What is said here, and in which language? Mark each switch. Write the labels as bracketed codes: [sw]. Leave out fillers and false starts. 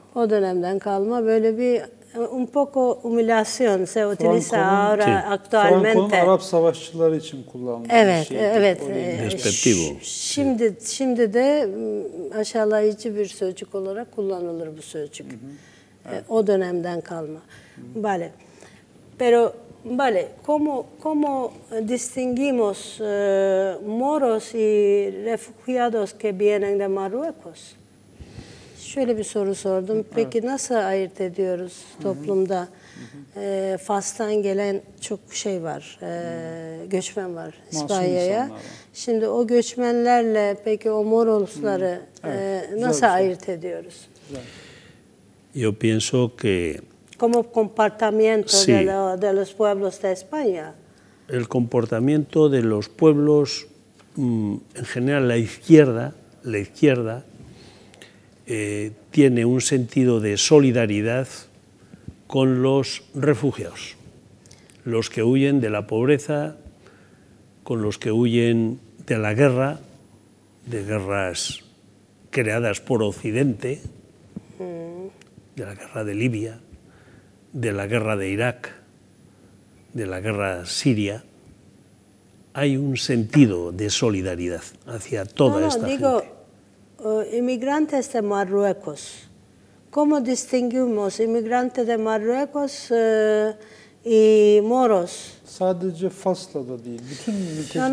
[tr] O dönemden kalma böyle bir [es] un poco humilación se utiliza ahora actualmente. [tr] Franco'nun Arap savaşçıları için kullanılmış. Evet, bir şeydi, evet. [es] Despectivo. [tr] Şimdi de aşağılayıcı bir sözcük olarak kullanılır bu sözcük. Evet. O dönemden kalma. Vale. [es] Pero vale, ¿cómo distinguimos moros y refugiados que vienen de Marruecos? [tr] Şöyle bir soru sordum. Peki nasıl ayırt ediyoruz toplumda? Fas'tan gelen çok şey var, göçmen var İspanya'ya. Şimdi o göçmenlerle peki o morosları nasıl ayırt ediyoruz? [es] Yo pienso que... ¿Cómo comportamiento de los pueblos de España? El comportamiento de los pueblos, en general la izquierda, tiene un sentido de solidaridad con los refugiados, los que huyen de la pobreza, con los que huyen de la guerra, de guerras creadas por Occidente, de la guerra de Libia, de la guerra de Irak, de la guerra siria. Hay un sentido de solidaridad hacia toda esta gente. Inmigrantes de Marruecos. ¿Cómo distinguimos inmigrantes de Marruecos y moros? [tr] Sadece Fas'la da değil, bütün ülkelerde